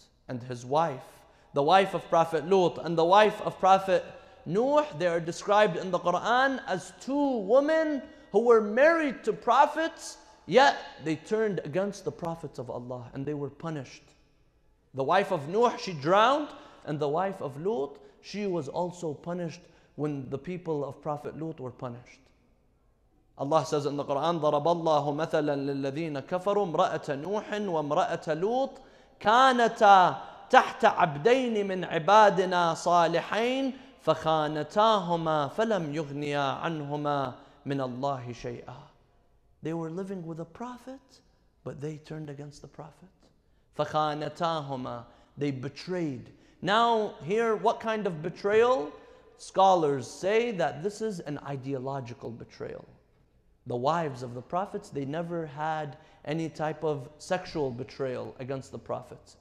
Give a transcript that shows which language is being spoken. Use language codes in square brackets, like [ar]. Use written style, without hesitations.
[en] And his wife, the wife of Prophet Lut and the wife of Prophet Nuh, they are described in the Quran as two women who were married to prophets, yet they turned against the prophets of Allah and they were punished. The wife of Nuh, she drowned. And the wife of Lut, she was also punished when the people of Prophet Lut were punished. Allah says in the Quran, [ar] ضَرَبَ اللَّهُ مَثَلًا لِلَّذِينَ كَفَرُوا امْرَأَةَ نُوحٍ وَامْرَأَةَ لُوط كَانَتَا تَحْتَ عَبْدَيْنِ مِنْ عِبَادِنَا صَالِحَيْنَ فَخَانَتَاهُمَا فَلَمْ يُغْنِيَا عَنْهُمَا مِنَ اللَّهِ شَيْئًا. [en] They were living with a prophet, but they turned against the prophet. فَخَانَتَاهُمَا, they betrayed. Now, here, what kind of betrayal? Scholars say that this is an ideological betrayal. The wives of the prophets, they never had any type of sexual betrayal against the prophets.